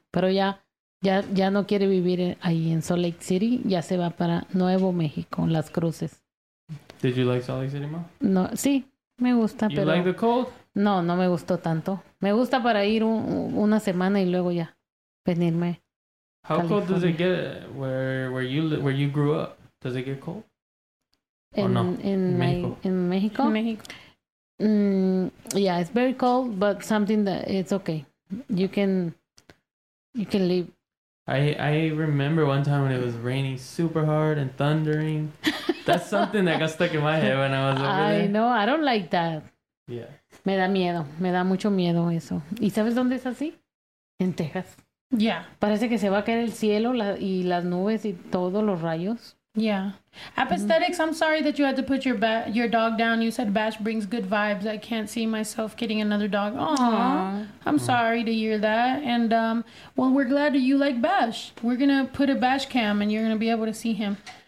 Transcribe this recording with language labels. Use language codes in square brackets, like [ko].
[es] Pero ya no quiere vivir ahí en Salt Lake City. Ya se va para Nuevo México, Las Cruces. [en] Did you like Salt Lake City, Ma? [es] No, sí, me gusta. [en] You [es] pero [en] like the cold? [es] No, no me gustó tanto. Me gusta para ir una semana y luego ya venirme. [en] How cold does it get where you grew up? Does it get cold? Or In Mexico? In Mexico. Yeah, it's very cold, but something that it's okay. You can live. I remember one time when it was raining super hard and thundering. That's something that got stuck in my head when I was over there. I know, I don't like that. Yeah. [es] Me da miedo. Me da mucho miedo eso. ¿Y sabes dónde es así? En Texas. [en] Yeah. [es] Parece que se va a caer el cielo y las nubes y todos los rayos. [en] Yeah. Apesthetics, I'm sorry that you had to put your dog down. You said Bash brings good vibes. I can't see myself getting another dog. Aww. I'm sorry to hear that. And, well, we're glad that you like Bash. We're going to put a Bash cam and you're going to be able to see him.